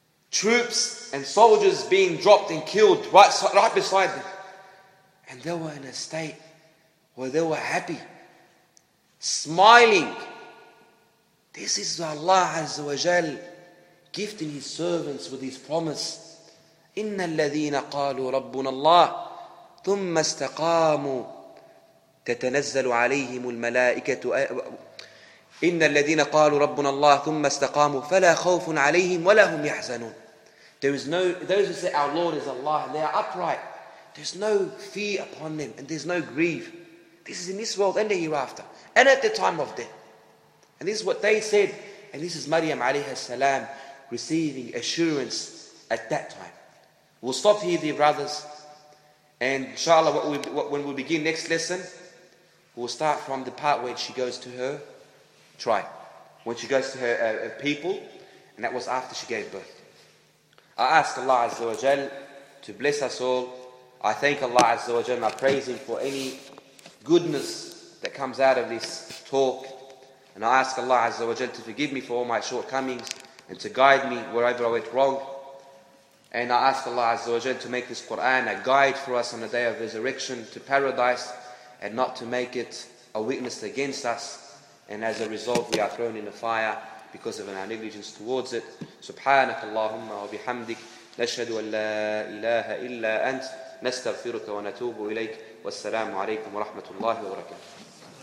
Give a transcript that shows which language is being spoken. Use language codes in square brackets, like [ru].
[en] Troops and soldiers being dropped and killed right beside them. And they were in a state where they were happy. Smiling. This is Allah [ar] Azza wa Jal [en] gifting his servants with his promise. [ar] إِنَّ الَّذِينَ قَالُوا رَبُّنَ اللَّهِ ثُمَّ اسْتَقَامُوا تَتَنَزَّلُ عَلَيْهِمُ الْمَلَائِكَةُ إن الذين قالوا ربنا الله ثم استقاموا فلا خوف عليهم ولا هم يحزنون. [en] There is no, those who say our Lord is Allah, they are upright. There's no fear upon them and there's no grief. This is in this world and the hereafter and at the time of death. And this is what they said. And this is Maryam [ar] عليه السلام [en] receiving assurance at that time. We'll stop here, dear brothers. And inshallah, when we begin next lesson, we'll start from the part where she goes to her. Try. When she goes to her people, and that was after she gave birth. I ask Allah [ar] Azza wa Jal [en] to bless us all. I thank Allah Azza wa Jal and I praise Him for any goodness that comes out of this talk. And I ask Allah [ar] Azza wa Jal [en] to forgive me for all my shortcomings and to guide me wherever I went wrong. And I ask Allah [ar] Azza wa Jal [en] to make this Quran a guide for us on the day of resurrection to paradise and not to make it a witness against us. And as a result, we are thrown in the fire because of our negligence towards it. [ar] سبحانك اللهم وبحمدك نشهد أن لا إله إلا أنت نستغفرك ونتوب إليك والسلام عليكم ورحمة الله وبركاته.